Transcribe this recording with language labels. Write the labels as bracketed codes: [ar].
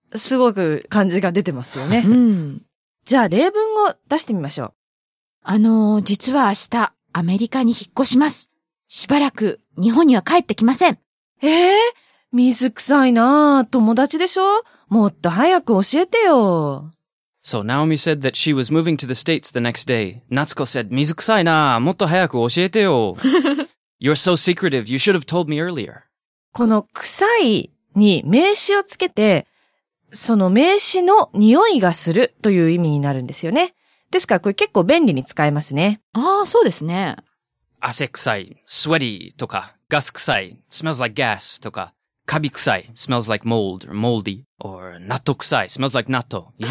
[ja] すごく感じが出てますよね。うん、じゃあ、例文を出してみましょう。実は明日、アメリカに引っ越します。しばらく、日本には帰ってきません。水臭いなぁ、友達でしょ？もっと早く教えてよ。 [en] So Naomi said that she was moving to the States the next day. Natsuko said, [ja] 水臭いなぁ、もっと早く教えてよ。 [en] You're so secretive, you should have told me earlier. [ja] この臭いに名詞をつけて、その名詞の匂いがするという意味になるんですよね。ですからこれ結構便利に使えますね。ああ、そうですね。汗臭い、 [en] sweaty [ja] とか、ガス臭い、 [en] smells like gas [ja] とか、カビ臭い、 [en] smells like mold or moldy, or [ja] 納豆臭い、 [en] smells like 納豆。